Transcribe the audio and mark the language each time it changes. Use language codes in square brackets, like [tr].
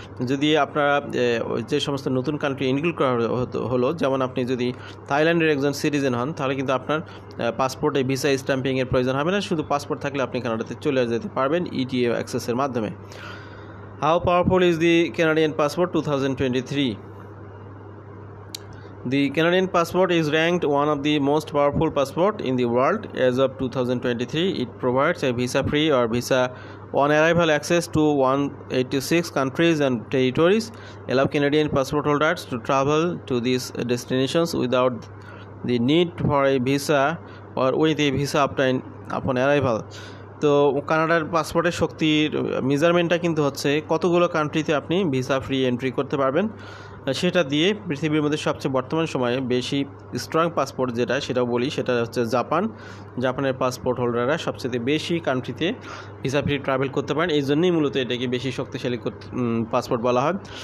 [bn] যদি আপনারা যে সমস্ত নতুন কান্ট্রি ইনক্লুড করা হলো, যেমন আপনি যদি থাইল্যান্ডের একজন সিটিজেন হন, তাহলে কিন্তু আপনার পাসপোর্টে ভিসা স্ট্যাম্পিংয়ের প্রয়োজন হবে না, শুধু পাসপোর্ট থাকলে আপনি কানাডাতে চলে যেতে পারবেন ইটিএ অ্যাক্সেসের মাধ্যমে। [en] How powerful is the Canadian passport 2023? The Canadian passport is ranked one of the most powerful passport in the world as of 2023. It provides a visa-free or visa-on-arrival access to 186 countries and territories, allow Canadian passport holders to travel to these destinations without the need for a visa or with a visa obtained upon arrival. [bn] তো কানাডার পাসপোর্টের শক্তির মেজারমেন্টটা কিন্তু হচ্ছে কতগুলো কান্ট্রিতে আপনি visa free entry করতে পারবেন। সেটা দিয়ে পৃথিবীর মধ্যে সবচেয়ে বর্তমান সময়ে বেশি স্ট্রং পাসপোর্ট যেটা সেটাও বলি সেটা হচ্ছে জাপান। জাপানের পাসপোর্ট হোল্ডাররা সবচেয়ে বেশি কান্ট্রিতে ভিসা ফ্রি ট্রাভেল করতে পারেন, এই জন্যই মূলত এটাকে বেশি শক্তিশালী পাসপোর্ট বলা হয়।